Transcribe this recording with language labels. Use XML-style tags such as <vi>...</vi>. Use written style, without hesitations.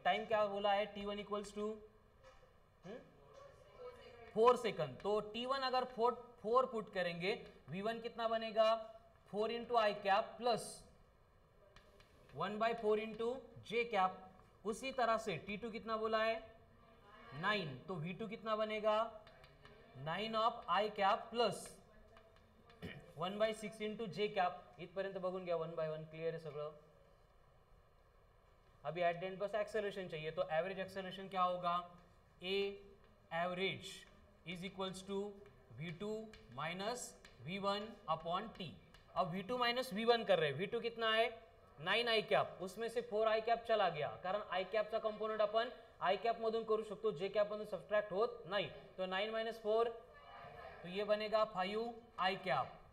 <hi>Time क्या बोला है, T one equals to four second, तो टी वन अगर फोर पुट करेंगे, वी वन कितना बनेगा, four into I cap plus one by four into J cap. उसी तरह से टी टू कितना बोला है, नाइन, तो वी टू कितना बनेगा, nine of I cap plus one by six into J cap.</hi> <mr>इतपर्यंत बघून घ्या, वन बाय वन क्लियर है सगळं.</mr> <hi>अभी एट द एंड बस एक्सेलरेशन चाहिए, तो एवरेज एक्सेलरेशन क्या होगा, ए average is equals to we to minus we one upon T. अब we to minus we one कर रहे हैं, वी टू कितना है, नाइन आई कैप, उसमें से फोर आई कैप चला गया, कारण आई कैप का कंपोनेंट</hi> <mr>अपन आई कैप मधून करू शकतो, जे कैप मधून सब्ट्रैक्ट होत</mr> <hi>नहीं, तो नाइन माइनस फोर, तो ये बनेगा फाइव आई कैप.</hi>